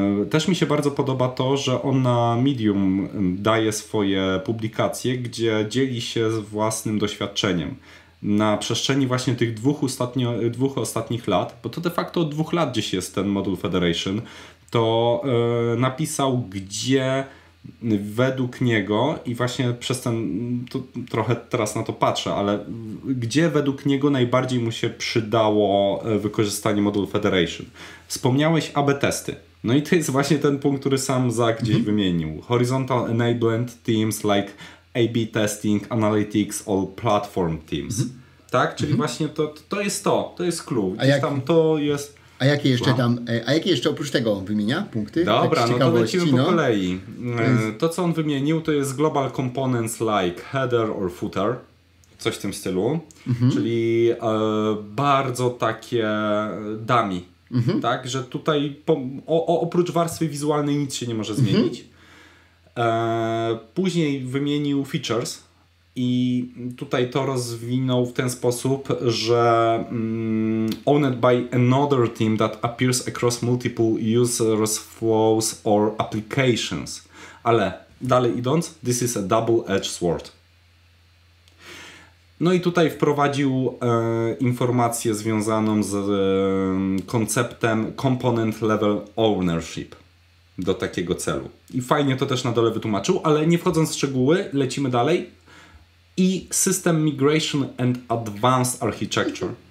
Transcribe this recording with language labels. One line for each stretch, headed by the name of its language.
Polish: Też mi się bardzo podoba to, że on na Medium daje swoje publikacje, gdzie dzieli się z własnym doświadczeniem na przestrzeni właśnie tych dwóch ostatnich lat, bo to de facto od 2 lat gdzieś jest ten Module Federation, to napisał, gdzie według niego i właśnie przez ten, to trochę teraz na to patrzę, ale gdzie według niego najbardziej mu się przydało wykorzystanie Module Federation. Wspomniałeś AB testy. No i to jest właśnie ten punkt, który sam Zach gdzieś wymienił.
English: Horizontal enablement teams like A/B testing, analytics, all platform teams.
Polish: Mm-hmm. Tak? Czyli mm-hmm. właśnie to jest clue. A jakie jeszcze tam, a jakie jeszcze oprócz tego on wymienia punkty? Dobra, tak, no to lecimy po kolei. To, co on wymienił, to jest
English: global components like header or footer.
Polish: Coś w tym stylu. Mm-hmm. Czyli bardzo takie dummy. Mm-hmm. Tak, że tutaj oprócz warstwy wizualnej nic się nie może zmienić. Mm-hmm. Później wymienił features i tutaj to rozwinął w ten sposób, że
English: owned by another team that appears across multiple users flows or applications.
Polish: Ale dalej idąc,
English: this is a double-edged sword.
Polish: No i tutaj wprowadził informację związaną z konceptem component level ownership do takiego celu. I fajnie to też na dole wytłumaczył, ale nie wchodząc w szczegóły, lecimy dalej.
English: I system migration and advanced architecture.